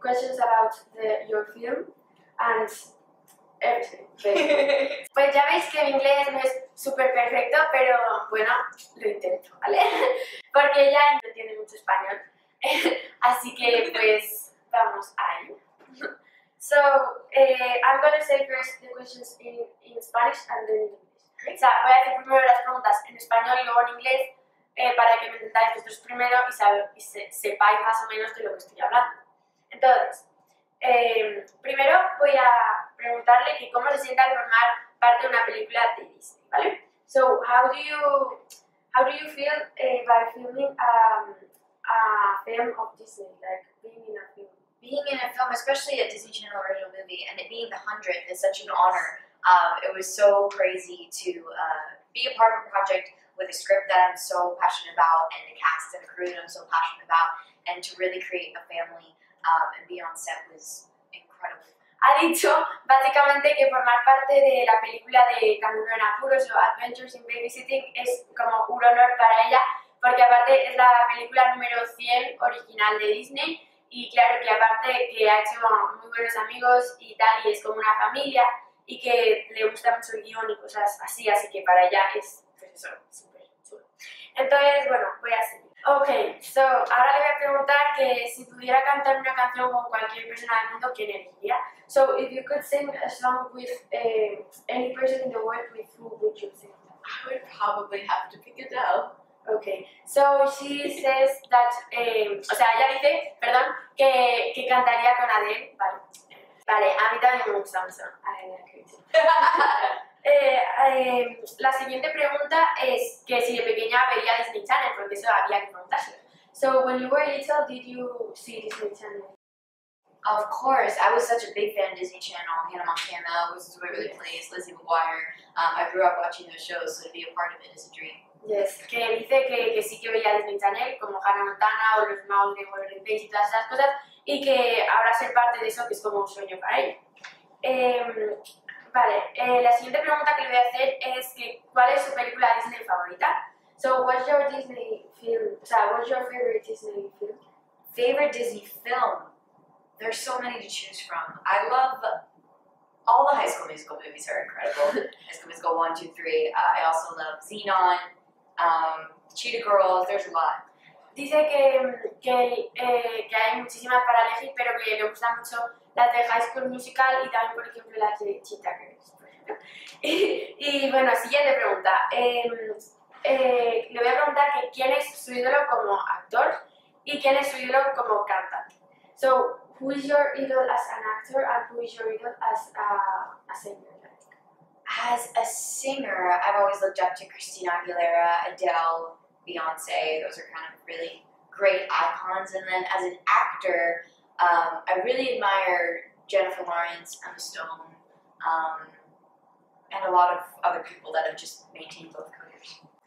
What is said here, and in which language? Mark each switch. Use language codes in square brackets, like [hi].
[en] Questions about your film. And [es] pues ya veis que mi inglés no es súper perfecto, pero bueno, lo intento, ¿vale? Porque ella no entiende mucho español, así que pues vamos ahí. [en] So, I'm going to say first the questions in Spanish and then in English. [es] O sea, voy a hacer primero las preguntas en español y luego en inglés para que me entendáis vosotros primero y, sepáis más o menos de lo que estoy hablando. Entonces, primero voy a preguntarle que cómo se siente al formar parte de una película de Disney, ¿vale? [en] So how do you feel by filming a film of Disney, like being in a film? Being in a film, especially a Disney Channel original movie, and it being the 100th is such an honor. It was so crazy to be a part of a project with a script that I'm so passionate about, and the cast and the crew that I'm so passionate about, and to really create a family. And be on set was incredible. [es] Ha dicho básicamente que formar parte de la película de Canguros en apuros o Adventures in Babysitting es como un honor para ella, porque aparte es la película número 100 original de Disney y claro que aparte que ha hecho muy buenos amigos y tal y es como una familia y que le gusta mucho el guión y cosas así, así que para ella es pues eso, súper chulo. Entonces, bueno, voy a seguir. [en] Ok, so, [es] ahora le voy a preguntar que si pudiera cantar una canción con cualquier persona del mundo, ¿quién elegiría? [en] So, if you could sing a song with any person in the world, with who would you sing? I would probably have to pick Adele. Ok, so she says that, [es] o sea, ella dice, perdón, que cantaría con Adele. Vale, vale, a mí también me gusta mucho. [en] I like it. La [es] siguiente pregunta es que si de pequeña veía Disney Channel, porque eso había que preguntarse. [en] So, when you were little, did you see Disney Channel? Of course, I was such a big fan of Disney Channel. Hannah Montana was where it really plays, Lizzie McGuire. I grew up watching those shows, so to be a part of it is a dream. [es] Yes, que dice que sí que veía Disney Channel, como Hannah Montana o los Maul de World of Days y todas esas cosas, y que ahora ser parte de eso que es como un sueño para ella. Vale, la siguiente pregunta que le voy a hacer es que ¿cuál es su película Disney favorita? [en] So, what's your Disney film? What's your favorite Disney film? Favorite Disney film? There's so many to choose from. I love all the High School Musical movies are incredible. High School Musical 1, 2, 3. I also love Xenon, Cheetah Girls, there's a lot. [es] Dice que hay muchísimas para elegir, pero que le gusta mucho las de High School Musical y también, por ejemplo, las de Cheetah Girls. Y bueno, siguiente pregunta. Le voy a preguntar que quién es su ídolo como actor y quién es su ídolo como cantante. [en] So, who is your idol as an actor and who is your idol as a singer? As a singer, I've always looked up to Christina Aguilera, Adele, Beyonce. Those are kind of really great icons. And then as an actor, I really admire Jennifer Lawrence, Emma Stone, and a lot of other people that have just maintained both careers.